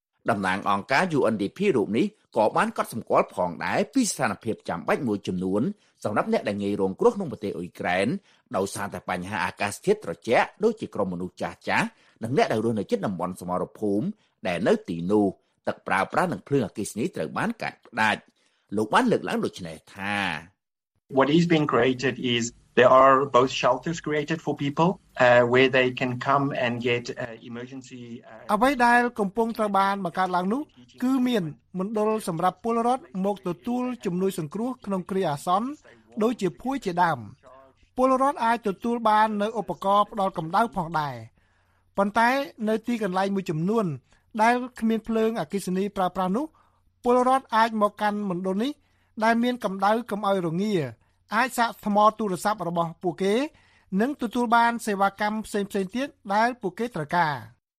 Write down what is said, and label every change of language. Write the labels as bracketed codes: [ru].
[km] តំណាងអង្គការ UNDP រូបនេះក៏បានកត់សម្គាល់ផងដែរពីស្ថានភាពចាំបាច់មួយចំនួនសម្រាប់អ្នកដែលងាយរងគ្រោះក្នុងប្រទេសអ៊ុយក្រែនដោយសារតែបញ្ហាអាកាសធាតុត្រជាក់ដូចជាក្រុមមនុស្សចាស់ចាស់និងអ្នកដែលរស់នៅជិតតំបន់សមរភូមិដែលនៅទីនោះទឹកប្រើប្រាស់និងភ្លើងអគ្គិសនីត្រូវបានកាត់ផ្ដាច់លោកបានលើកឡើងដូចនេះថា [en] What is being created is there are both shelters created for peoplewhere they can come and get emergency [km] អ្វីដែលកំពុងត្រូវបានបង្កើតឡើងនោះគឺមានមណ្ឌលសម្រាប់ពលរដ្ឋមកទទួលជំនួយសង្គ្រោះក្នុងគ្រាអាសន្នដូចជាភួយជាដើមពលរដ្ឋអាចទទួលបាននៅឧបករណ៍ផ្ដល់កម្ដៅផងដែរប៉ុន្តែនៅទីកន្លែងមួយចំនួនដែលគ្មានភ្លើងអគ្គិសនីប្រើប្រាស់នោះពលរដ្ឋអាចមកកាន់មណ្ឌលនេះដែលមានកម្ដៅកុំឲ្យរងាអាចសាកថ្មទូរស័ព្ទរបស់ពួកគេនឹងទទួលបានសេវាកម្មផ្សេងៗទៀតដែលពួកគេត្រូវការ